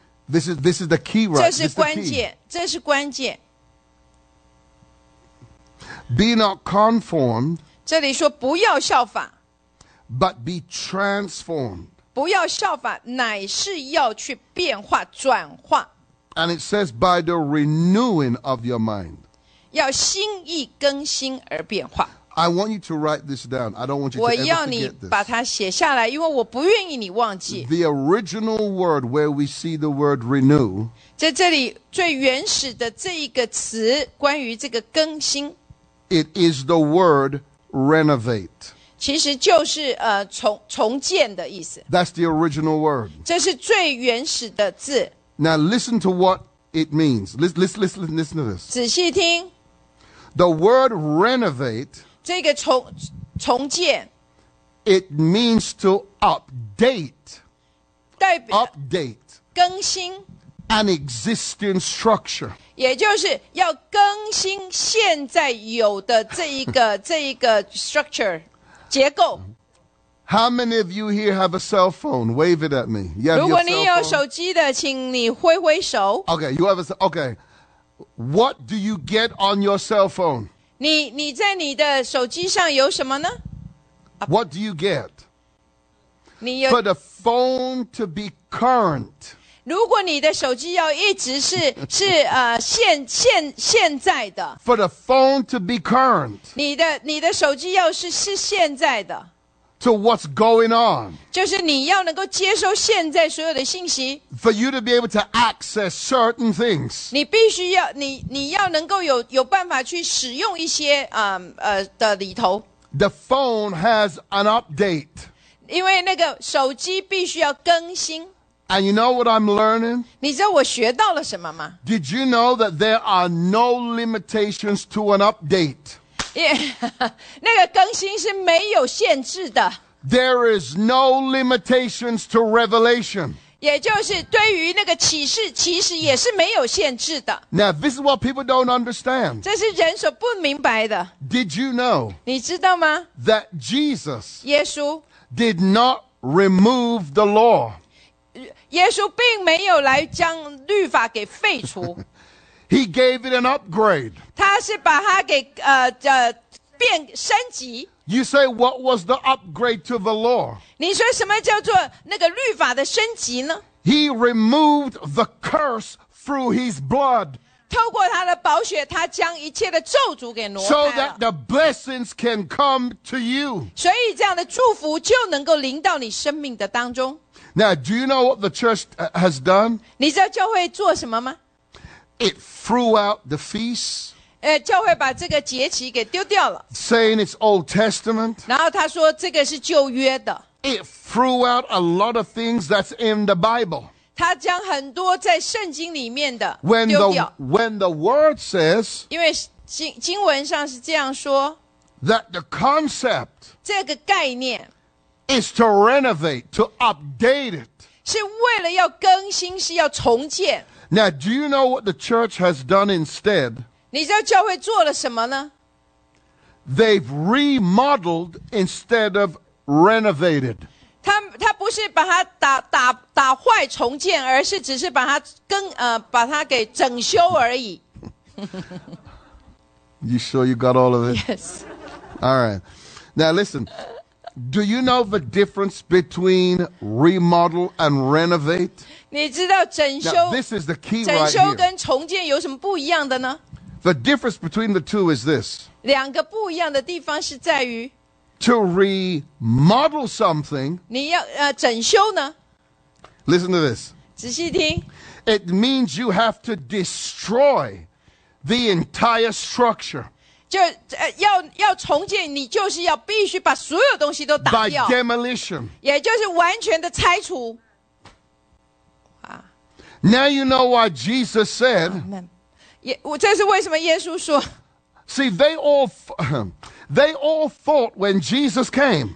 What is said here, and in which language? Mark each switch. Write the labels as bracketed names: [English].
[English] This is the key, right? [Chinese] 这是关键。 [English] Be not conformed. [Chinese] 这里说不要效法。 [English] But be transformed. [Chinese] 不要效法，乃是要去变化、转化。 [English] And it says, by the renewing of your mind. [Chinese] 要心意更新而变化。 [English] I want you to write this down. I don't want you to ever forget this. [Chinese] 我要你把它写下来，因为我不愿意你忘记。 [English] The original word where we see the word renew. [Chinese] 在这里最原始的这一个词，关于这个更新。 [English] It is the word renovate. [Chinese] 其实就是重建的意思。 [English] That's the original word. [Chinese] 这是最原始的字。 [English] Now listen to what it means. Listen to this. [Chinese] 仔细听。 [English] The word renovate. [Chinese] 这个重建。 [English] It means to update. Update. [Chinese] 更新。 [English] an existing structure. [Chinese] 也就是要更新现在有的这一个这一个 structure 结构。 [English] How many of you here have a cell phone? Wave it at me. Yeah. [Chinese] 如果你有手机的，请你挥挥手。 [English] Okay, you have a okay. What do you get on your cell phone? [Chinese] 你在你的手机上有什么呢？ [English] What do you get? [Chinese] 你有 [English] for the phone to be current. [Chinese] 如果你的手机要一直是现在的 [English] for the phone to be current. [Chinese] 你的手机要是现在的。 [English] To what's going on? [Chinese] 就是你要能够接收现在所有的信息。 [English] For you to be able to access certain things. [Chinese] 你必须要你要能够有办法去使用一些的里头。 [English] The phone has an update. [Chinese] 因为那个手机必须要更新。 [English] And you know what I'm learning? [Chinese] 你知道我学到了什么吗？ [English] Did you know that there are no limitations to an update? [Chinese] Yeah, 那个更新是没有限制的。 [English] There is no limitations to revelation. [Chinese] 也就是对于那个启示，其实也是没有限制的。 [English] Now, this is what people don't understand. [Chinese] 这是人所不明白的。 [English] Did you know? [Chinese] 你知道吗？ [English] That Jesus, [Chinese] 耶稣 [English] did not remove the law. [Chinese] 耶稣并没有来将律法给废除。 [English] He gave it an upgrade. [Chinese] 他是把它给变升级。 [English] You say what was the upgrade to the law? [Chinese] 你说什么叫做那个律法的升级呢？ [English] He removed the curse through his blood. [Chinese] 透过他的宝血，他将一切的咒诅给挪开了。 [English] So that the blessings can come to you. [Chinese] 所以这样的祝福就能够临到你生命的当中。 [English] Now, do you know what the church has done? [Chinese] 你知道教会做什么吗？ [English] It threw out the feast. [Chinese] 教会把这个节期给丢掉了。 [English] Saying it's Old Testament. [Chinese] 然后他说这个是旧约的。 [English] It threw out a lot of things that's in the Bible. [Chinese] 他将很多在圣经里面的丢掉。 [English] When the word says, [Chinese] 因为经文上是这样说。 [English] That the concept, [Chinese] 这个概念 [English] is to renovate, to update it. [Chinese] 是为了要更新，是要重建。 [English] Now, do you know what the church has done instead? [Chinese] 你知道教会做了什么呢？ [English] They've remodeled instead of renovated. [Chinese] 他不是把它打坏重建，而是只是把它把它给整修而已。 [English] You sure you got all of it? Yes. All right. Now listen. Do you know the difference between remodel and renovate? [Chinese] 你知道整修 [English] Now, this is the key right here. [Chinese] 整修跟重建有什么不一样的呢？ [English] The difference between the two is this. [Chinese] 两个不一样的地方是在于 [English] To remodel something. [Chinese] 你要整修呢？ [English] Listen to this. [Chinese] 仔细听。 [English] It means you have to destroy the entire structure. [Chinese] 就要重建，你就是要必须把所有东西都打掉。 [English] By demolition， [Chinese] 也就是完全的拆除。 [English] Now you know why Jesus said， [Chinese] 这是为什么耶稣说。 [English] See they all thought when Jesus came，